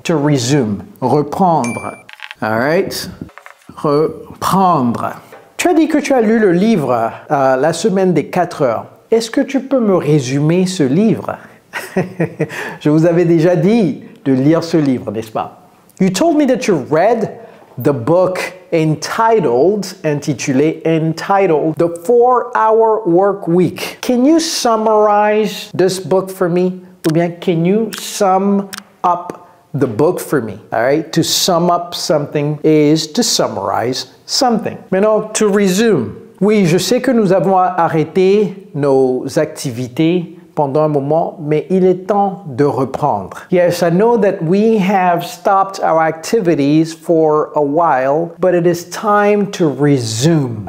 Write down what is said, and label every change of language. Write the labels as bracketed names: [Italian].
[English] To resume, reprendre. All right? Reprendre. [French] Tu as dit que tu as lu le livre la semaine des 4 heures. Est-ce que tu peux me résumer ce livre? Je vous avais déjà dit de lire ce livre, n'est-ce pas? [English] You told me that you read the book intitulé The 4-Hour Work Week. Can you summarize this book for me? [French] Ou bien, [English] can you sum up the book for me? All right, to sum up something is to summarize something. Maintenant, to resume. [French] Oui, je sais que nous avons arrêté nos activités pendant un moment, mais il est temps de reprendre. [English] Yes, I know that we have stopped our activities for a while, but it is time to resume.